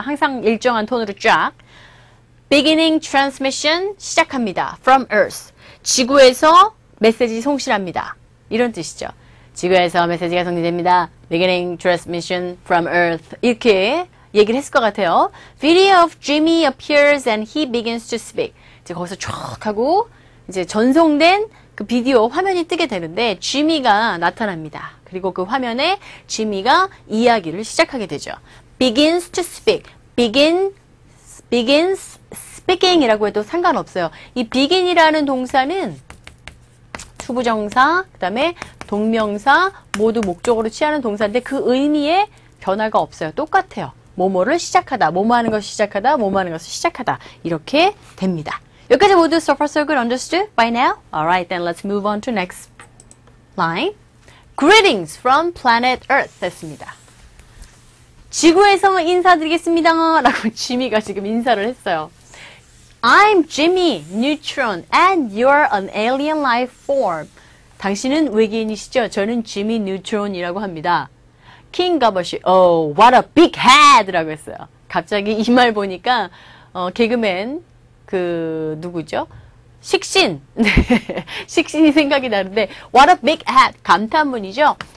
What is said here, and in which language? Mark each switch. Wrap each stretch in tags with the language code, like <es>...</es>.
<ko>항상 일정한 톤으로 쫙.</ko> <en>Beginning transmission</en> <ko>시작합니다.</ko> <en>From Earth.</en> <ko>지구에서 메시지 송신합니다. 이런 뜻이죠. 지구에서 메시지가 송신됩니다.</ko> <en>Beginning transmission from Earth.</en> <ko>이렇게 얘기를 했을 것 같아요.</ko> <en>Video of Jimmy appears and he begins to speak.</en> <ko>이제 거기서 촥 하고 이제 전송된 그 비디오 화면이 뜨게 되는데 지미가 나타납니다. 그리고 그 화면에 지미가 이야기를 시작하게 되죠.</ko> <en>Begins to speak. Begins speaking</en> <ko>이라고 해도 상관없어요. 이 begin이라는 동사는 투부정사, 그 다음에 동명사 모두 목적으로 취하는 동사인데 그 의미에 변화가 없어요. 똑같아요. 뭐뭐를 시작하다, 뭐뭐 하는 것을 시작하다, 뭐뭐 하는 것을 시작하다 이렇게 됩니다. 여기까지 모두</ko> <en>so far so good understood by now? Alright, then let's move on to next line. Greetings from planet Earth</en> <ko>됐습니다. 지구에서 인사드리겠습니다 라고 지미가 지금 인사를 했어요.</ko> <en>I'm Jimmy Neutron and you're an alien life form.</en> <ko>당신은 외계인이시죠? 저는 지미 뉴트론이라고 합니다. 킹 가버시,</ko> <en>oh, what a big head!</en> <ko>라고 했어요. 갑자기 이 말 보니까 개그맨 그 누구죠? 식신. 식신이 생각이 나는데</ko> <en>What a big head.</en> <ko>감탄문이죠.</ko>